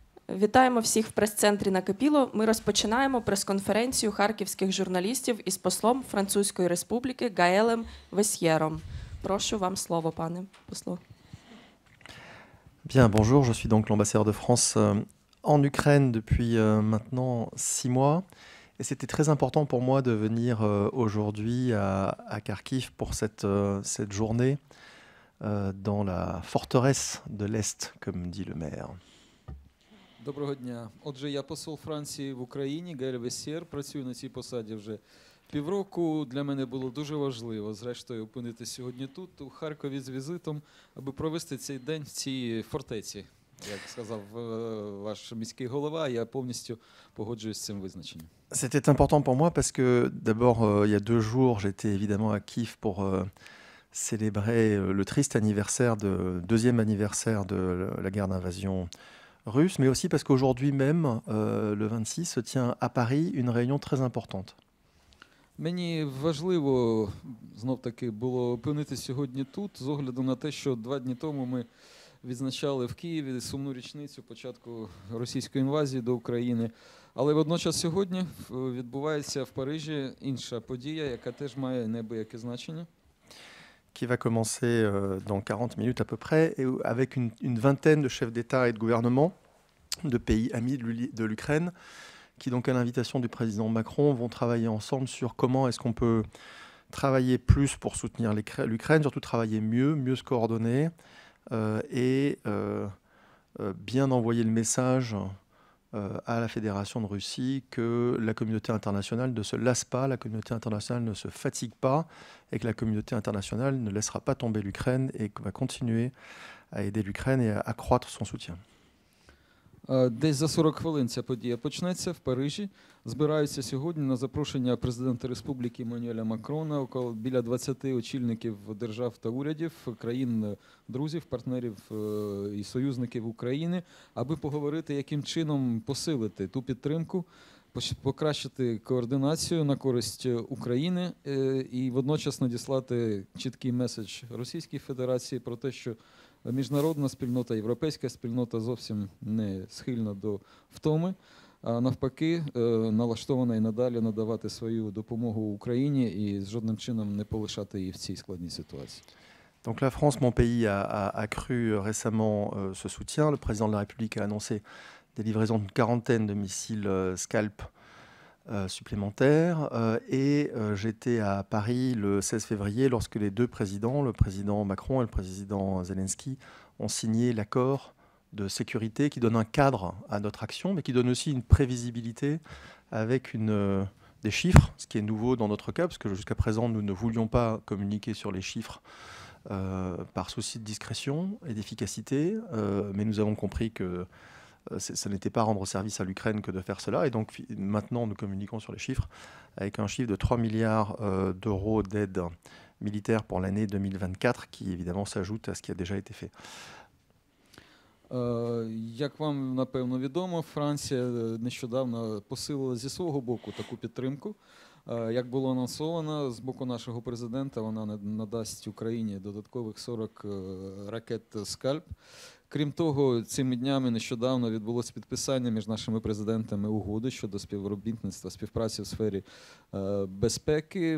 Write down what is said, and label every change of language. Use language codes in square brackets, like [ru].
[uk] Вітаємо всіх в прес-центрі Накипіло. Ми розпочинаємо прес-конференцію харківських журналістів із послом Французької Республіки Гаелем Весьєром. Прошу вам слово, пане посло. [fr] Bien, bonjour, je suis donc l'ambassadeur de France en Ukraine depuis maintenant 6 mois. Et c'était très important pour moi de venir aujourd'hui à Kharkiv pour cette journée dans la forteresse de l'Est, comme dit le maire. [uk] Доброго дня. Отже, я посол Франції в Україні, Гаель Весьєр, працюю на цій посаді вже півроку. Для мене було дуже важливо, зрештою, опинитися сьогодні тут, у Харкові, з візитом, аби провести цей день в цій фортеці. Як сказав ваш міський голова, я повністю погоджуюсь з цим визначенням. [fr] C'était important pour moi parce que d'abord, il y a 2 jours, j'étais évidemment à Kiev pour célébrer le triste anniversaire, le deuxième anniversaire de la guerre d'invasion russe, mais aussi parce qu'aujourd'hui même, le 26, se tient à Paris une réunion très importante. [uk] Мені важливо, знов-таки, було опинитися сьогодні тут, з огляду на те, що 2 дні тому ми відзначали в Києві сумну річницю початку російської інвазії до України. Але водночас сьогодні відбувається в Парижі інша подія, яка теж має небояке значення. [fr] Qui va commencer dans 40 minutes à peu près, et avec une vingtaine de chefs d'État et de gouvernement de pays amis de l'Ukraine, qui donc à l'invitation du président Macron vont travailler ensemble sur comment est-ce qu'on peut travailler plus pour soutenir l'Ukraine, surtout travailler mieux se coordonner et bien envoyer le message à la Fédération de Russie que la communauté internationale ne se lasse pas, la communauté internationale ne se fatigue pas et que la communauté internationale ne laissera pas tomber l'Ukraine et va continuer à aider l'Ukraine et à accroître son soutien. [uk] Десь за 40 хвилин ця подія почнеться в Парижі. Збираються сьогодні на запрошення президента Республіки Еммануеля Макрона около біля 20 очільників держав та урядів, країн-друзів, партнерів і союзників України, аби поговорити, яким чином посилити ту підтримку, покращити координацію на користь України і водночас надіслати чіткий меседж Російській Федерації про те, що міжнародна спільнота, європейська спільнота зовсім не схильна до втоми, а навпаки, налаштована і надалі надавати свою допомогу Україні і жодним чином не полишати її в цій складній ситуації. [fr] Donc la France, mon pays, a accru récemment ce soutien. Le président de la République a annoncé des livraisons d'une quarantaine de missiles Scalp supplémentaires. Et j'étais à Paris le 16 février lorsque les deux présidents, le président Macron et le président Zelensky, ont signé l'accord de sécurité qui donne un cadre à notre action, mais qui donne aussi une prévisibilité avec des chiffres, ce qui est nouveau dans notre cas, parce que jusqu'à présent, nous ne voulions pas communiquer sur les chiffres par souci de discrétion et d'efficacité. Mais nous avons compris que ce n'était pas rendre service à l'Ukraine que de faire cela. Et donc maintenant, nous communiquons sur les chiffres avec un chiffre de 3 milliards d'euros d'aide militaire pour l'année 2024, qui évidemment s'ajoute à ce qui a déjà été fait. [uk] Як вам, напевно, відомо, Франція нещодавно посилила зі свого боку таку підтримку. Як було анонсовано, з боку нашого президента вона надасть Україні додаткових 40 ракет «Скальп». Крім того, цими днями нещодавно відбулося підписання між нашими президентами угоди щодо співробітництва, співпраці в сфері безпеки.